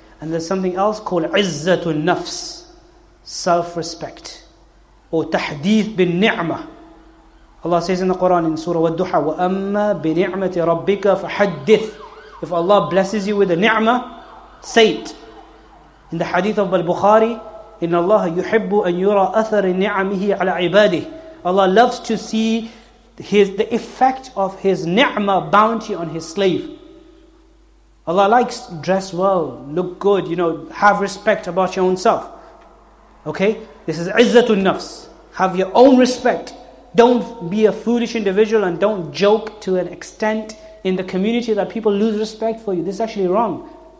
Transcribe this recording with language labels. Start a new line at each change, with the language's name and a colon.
English: And there's something else called izzatun nafs, self-respect. Or tahdith bin ni'mah. Allah says in the Quran in Surah Al-Duha,
Arabic: وَأَمَّا بِنِعْمَةِ رَبِّكَ فَحَدِّثْ.
English: If Allah blesses you with a ni'mah, say it. In the hadith of Al-Bukhari,
Arabic: إِنَّ اللَّهَ يُحِبُّ أَن يُرَى أَثَرِ نِعَمِهِ عَلَى عِبَادِهِ.
English: Allah loves to see the effect of His ni'mah bounty on His slave. Allah likes dress well, look good, you know, have respect about your own self. Okay? This is عِزَّةُ nafs. Have your own respect. Don't be a foolish individual and don't joke to an extent in the community that people lose respect for you. This is actually wrong.